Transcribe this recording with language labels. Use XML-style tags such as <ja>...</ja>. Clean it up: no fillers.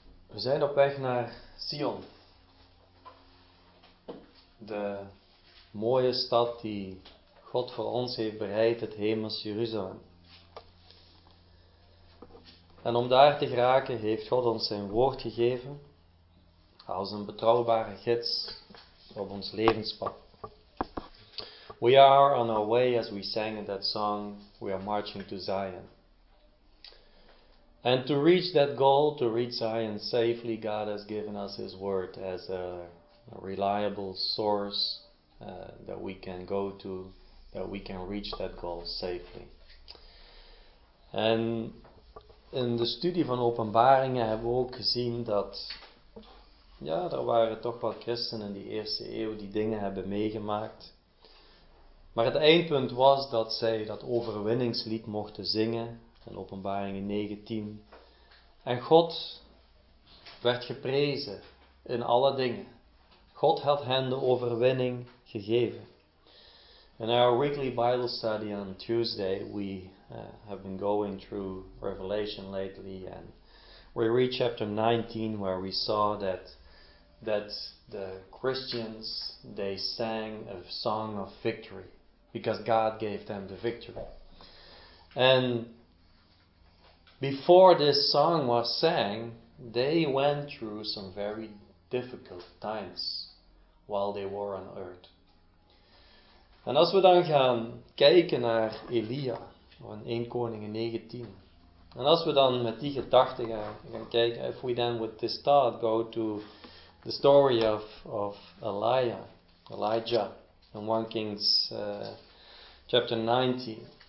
<nl>We zijn op weg naar Sion, de mooie stad die God voor ons heeft bereid, het hemels Jeruzalem. En om daar te geraken heeft God ons zijn woord gegeven als een betrouwbare gids op ons levenspad.</nl> <en>We are on our way, as we sang in that song, we are marching to Zion. And to reach that goal, to reach Zion safely, God has given us His Word as a reliable source that we can go to, that we can reach that goal safely.</en> <nl>En in de studie van Openbaringen hebben we ook gezien dat, ja, er waren toch wel christenen in die eerste eeuw die dingen hebben meegemaakt. Maar het eindpunt was dat zij dat overwinningslied mochten zingen. In Openbaringen 19. En God werd geprezen in alle dingen. God had hen de overwinning gegeven.</nl> <en>In our weekly Bible study on Tuesday, we have been going through Revelation lately, and we read chapter 19, where we saw that the Christians, they sang a song of victory, because God gave them the victory. And before this song was sang, they went through some very difficult times while they were on earth.</en> <nl>En als we dan gaan kijken naar Elia, van 1 Koningen 19. En als we dan met die gedachte gaan kijken,</nl> <en>if we then with this thought go to the story of Elijah, in 1 Kings chapter 19.</en>